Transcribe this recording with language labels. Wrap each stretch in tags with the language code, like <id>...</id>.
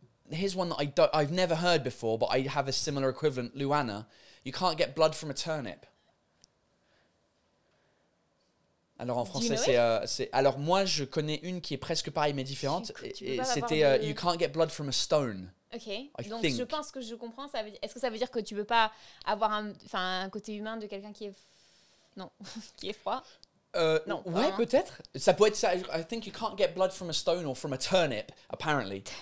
<en>Here's one that I've never heard before, but I have a similar equivalent. Luana, you can't get blood from a turnip.</en> <fr>Alors en français, c'est alors moi je connais une qui est presque pareille mais différente. C'était</fr> <en>you can't get blood from a stone.</en> <fr>Ok. Donc je pense que je comprends. Ça veut dire, est-ce que ça veut dire que tu peux pas avoir un côté humain de quelqu'un qui est non qui est froid? Non, ouais, vraiment. Peut-être. Ça peut être ça.</fr> <en>I think you can't get blood from a stone or from a turnip, apparently.</en>